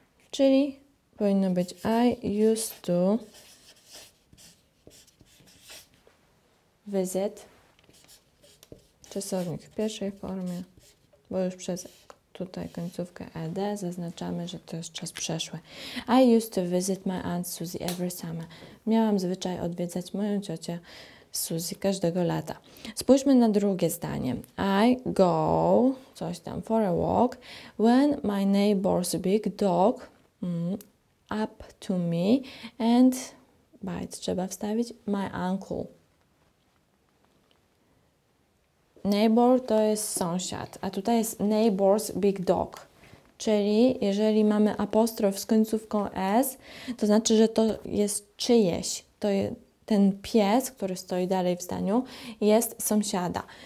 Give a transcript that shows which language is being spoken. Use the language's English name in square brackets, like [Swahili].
[Polish] Czyli powinno być [English] I used to visit. [Polish] Czasownik w pierwszej formie, bo już przez tutaj końcówkę ed zaznaczamy, że to jest czas przeszły. [English] I used to visit my aunt Suzy every summer. [Polish] Miałam zwyczaj odwiedzać moją ciocię Suzy każdego lata. Spójrzmy na drugie zdanie. [English] I go [Polish] coś tam [English] for a walk when my neighbor's big dog up to me and bite. [Polish] Trzeba wstawić [English] my uncle. [Polish] Neighbor to jest sąsiad, a tutaj jest [English] neighbor's big dog. [Polish] Czyli jeżeli mamy apostrof z końcówką s, to znaczy, że to jest czyjeś. To jest ten pies, który stoi dalej w zdaniu, jest sąsiada.